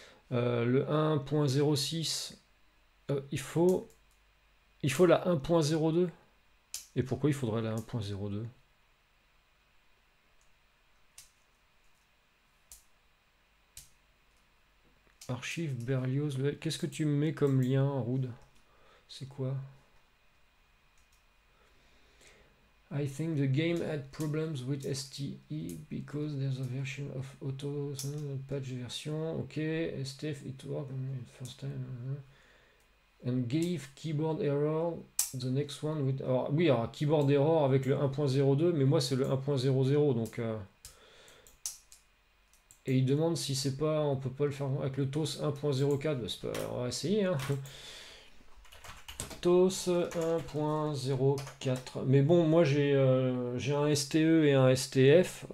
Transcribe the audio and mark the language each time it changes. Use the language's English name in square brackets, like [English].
[French] Le 1.06, il faut la 1.02. Et pourquoi il faudrait la 1.02? Archive Berlioz. Qu'est-ce que tu mets comme lien, Rude? C'est quoi? [English] I think the game had problems with STE because there's a version of auto patch version. Ok, STF it worked first time. And gave keyboard error the next one with. [French] Alors, oui, alors keyboard error avec le 1.02, mais moi c'est le 1.00 donc. Et il demande si c'est pas. On peut pas le faire avec le TOS 1.04. Bah, c'est pas. On va essayer, hein. TOS 1.04. Mais bon, moi j'ai un STE et un STF.